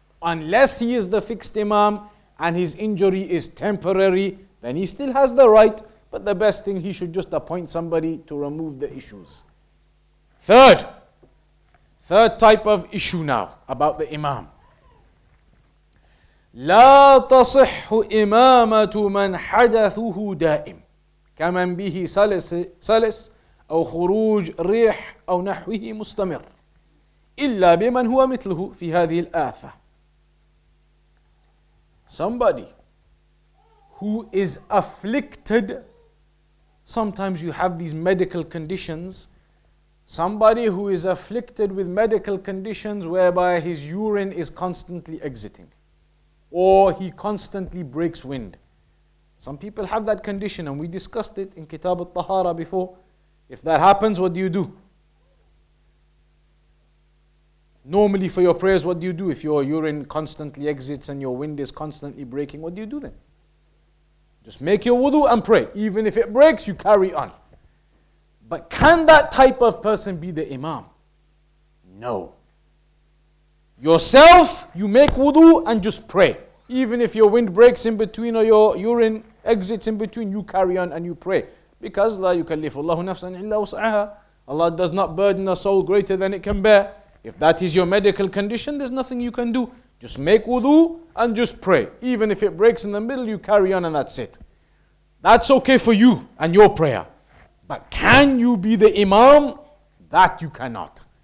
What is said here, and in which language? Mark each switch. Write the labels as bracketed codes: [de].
[en] Unless he is the fixed imam and his injury is temporary, then he still has the right. But the best thing, he should just appoint somebody to remove the issues. Third type of issue now about the imam. [ar] لا تصح إمامة من حدثه دائم كمن به سلس أو خروج ريح أو نحوه مستمر إلا بمن هو مثله في هذه الآفة. [en] Somebody who is afflicted, sometimes you have these medical conditions. Somebody who is afflicted with medical conditions whereby his urine is constantly exiting, or he constantly breaks wind. Some people have that condition, and we discussed it in Kitab al-Tahara before. If that happens, what do you do? Normally for your prayers, what do you do? If your urine constantly exits and your wind is constantly breaking, what do you do then? Just make your wudu and pray. Even if it breaks, you carry on. But can that type of person be the imam? No. Yourself, you make wudu and just pray. Even if your wind breaks in between or your urine exits in between, you carry on and you pray. [ar] Because لا يكلف الله نفسا إلا وسعها. [en] Allah does not burden a soul greater than it can bear. If that is your medical condition, there's nothing you can do. Just make wudu and just pray. Even if it breaks in the middle, you carry on and that's it. That's okay for you and your prayer. But can you be the imam? That you cannot.